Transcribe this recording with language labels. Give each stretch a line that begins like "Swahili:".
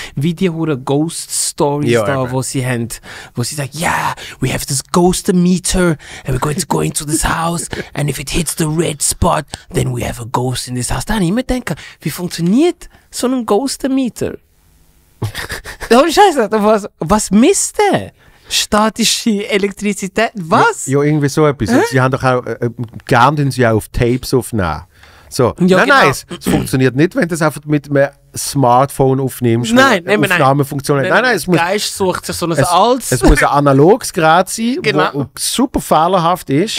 German: Wie die hohen Ghost Stories da, wo sie haben, wo sie sagen,
English: yeah, we have this ghost meter and we're going to go into this house and if it hits the red spot, then we have a ghost in this house.
German: Da habe ich immer gedacht, wie funktioniert so ein ghost meter? Oh, Scheiße, was misst der? Statische Elektrizität, was? Ja, irgendwie so etwas. Sie haben doch auch, gern sie auch auf Tapes aufnehmen. So, ja, nein, genau. Nein, es funktioniert nicht, wenn du es einfach mit einem Smartphone aufnimmst. Nein, nein, nein. Aufnahmefunktion. Nein, es muss... Geist sucht sich so ein altes... Es muss ein analoges Gerät sein, genau. Wo super fehlerhaft ist.